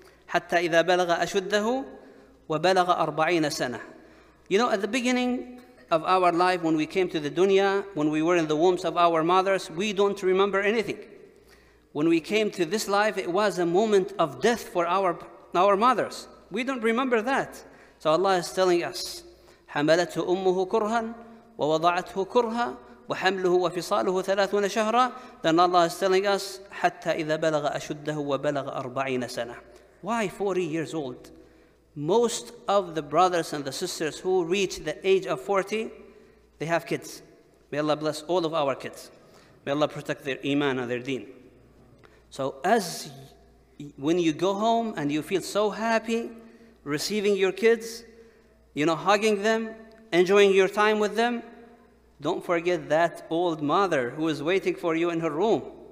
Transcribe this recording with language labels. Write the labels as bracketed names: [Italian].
[Arabic] حَتَّى إِذَا بَلَغَ أَشُدَّهُ وَبَلَغَ أَرْبَعِينَ سَنَةً. [English] You know, at the beginning of our life, when we came to the dunya, when we were in the wombs of our mothers, we don't remember anything. When we came to this life, it was a moment of death for our mothers. We don't remember that. So Allah is telling us, [Arabic] حَمَلَتْهُ أُمُّهُ كُرْهًا وَوَضَعَتْهُ كُرْهًا وَحَمْلُهُ وَفِصَالُهُ 30 شَهْرًا. [English] Then Allah is telling us, [Arabic] حَتَّى إِذَا بَلَغَ أَشُدَّهُ وَبَلَغَ 40 سَنَةً. [English] Why 40 years old? Most of the brothers and the sisters who reach the age of 40, they have kids. May Allah bless all of our kids. May Allah protect their iman and their deen. So as when you go home and you feel so happy receiving your kids, you know, hugging them, enjoying your time with them, don't forget that old mother who is waiting for you in her room.